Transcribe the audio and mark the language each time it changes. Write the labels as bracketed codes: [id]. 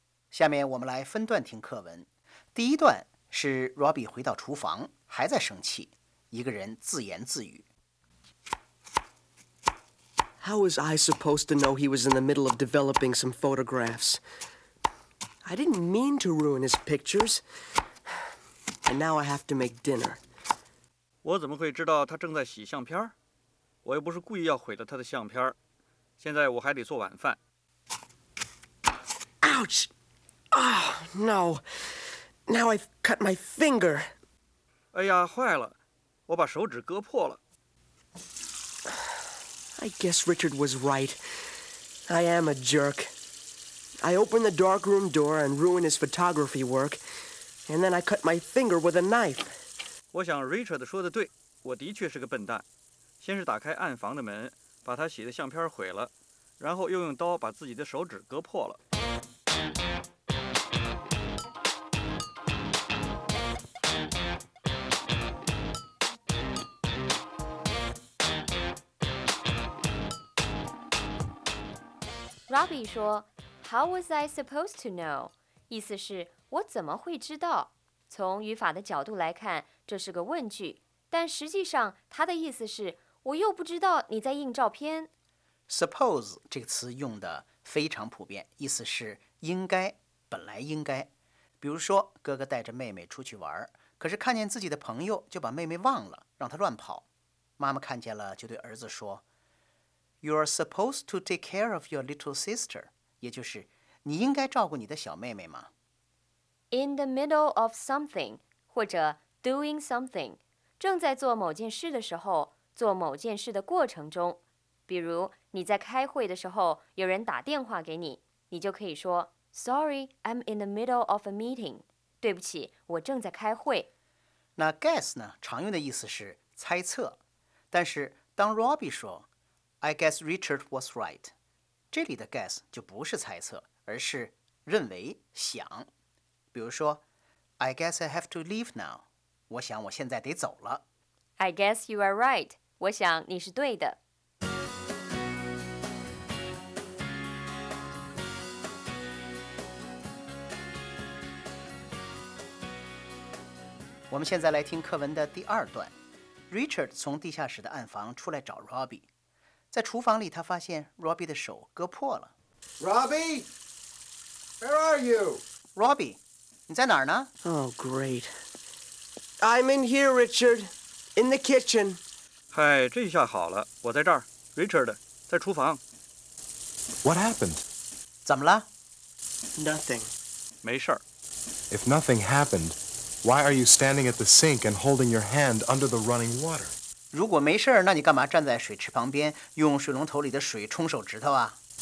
[zh] 下面我们来分段听课文。第一段是 Robbie 回到厨房，还在生气，一个人自言自语。 [en] How was I supposed to know he was in the middle of developing some photographs? I didn't mean to ruin his pictures. And now I have to make dinner. [zh] 我怎么会知道他正在洗相片？我又不是故意要毁了他的相片。现在我还得做晚饭。 [en] Ouch! Oh, no. Now I've cut my finger. [zh] 哎呀，坏了，我把手指割破了。 [en] I guess Richard was right. I am a jerk. I opened the darkroom door and ruined his photography work, and then I cut my finger with a knife. [zh] 我想 Richard 说的对，我的确是个笨蛋。先是打开暗房的门，把他洗的相片毁了，然后又用刀把自己的手指割破了。 [en] Robbie 说 How was I supposed to know? [zh] 意思是我怎么会知道？从语法的角度来看，这是个问句，但实际上它的意思是我又不知道你在印照片。 Suppose 这个词用的非常普遍，意思是应该，本来应该。比如说哥哥带着妹妹出去玩，可是看见自己的朋友就把妹妹忘了，让她乱跑。妈妈看见了就对儿子说 [en] You are supposed to take care of your little sister. [zh] 也就是你应该照顾你的小妹妹吗 [en] In the middle of something, [zh] 或者 [en] doing something, [zh] 正在做某件事的时候，做某件事的过程中。比如你在开会的时候，有人打电话给你，你就可以说 [en] Sorry, I'm in the middle of a meeting. [zh] 对不起，我正在开会。那 guess 呢，常用的意思是猜测。但是当 [en] Robbie 说I guess Richard was right. [zh] 这里的 guess 就不是猜测，而是认为、想。比如说 [en] ，I guess I have to leave now. [zh] 我想我现在得走了。 [en] I guess you are right. [zh] 我想你是对的。我们现在来听课文的第二段。Richard 从地下室的暗房出来找 Robbie。在厨房里，他发现 Robbie 的手割破了。 [en] Robbie, where are you? [zh] Robbie, 你在哪儿呢 [en] ？Oh, great. I'm in here, Richard. In the kitchen. [zh] 嗨，这下好了，我在这儿。 Richard, 在厨房。 [en] What happened? [zh] 怎么了 [en] ？Nothing. [zh] 没事儿。 [en] If nothing happened, why are you standing at the sink and holding your hand under the running water? [zh] 如果没事儿，那你干嘛站在水池旁边用水龙头里的水冲手指头啊